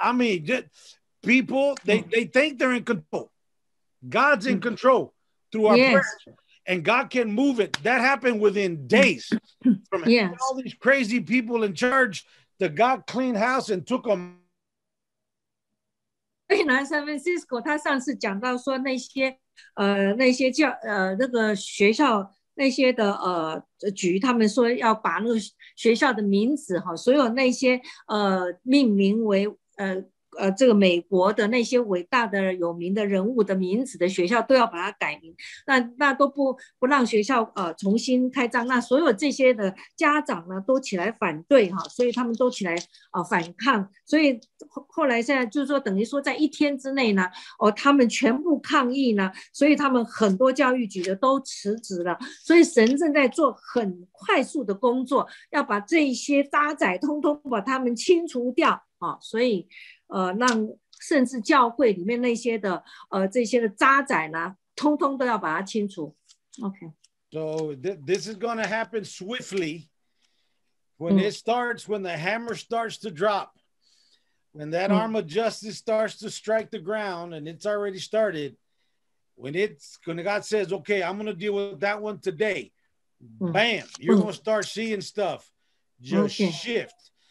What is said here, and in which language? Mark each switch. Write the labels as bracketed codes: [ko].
[en] I mean, people, they think they're in control. God's in control through our prayers. And God can move it. That happened within days. From all these crazy people in charge, the God cleaned house and took them. [zh] 所以南 San Francisco 他上次讲到说那些那些教那个学校那些的局，他们说要把那个学校的名字哈，所有那些命名为这个美国的那些伟大的有名的人物的名字的学校都要把它改名，那都不让学校重新开张，那所有这些的家长呢都起来反对哈，所以他们都起来反抗，所以后来现在就是说等于说在一天之内呢他们全部抗议呢，所以他们很多教育局的都辞职了，所以神正在做很快速的工作，要把这些渣滓通通把他们清除掉啊，所以让甚至教会里面那些的这些的渣滓呢，通通都要把它清除。 [en] Okay. So this is going to happen swiftly. When it starts, when the hammer starts to drop, when that arm of justice starts to strike the ground, and it's already started, when God says, "Okay, I'm going to deal with that one today," bam, you're going to start seeing stuff just shift.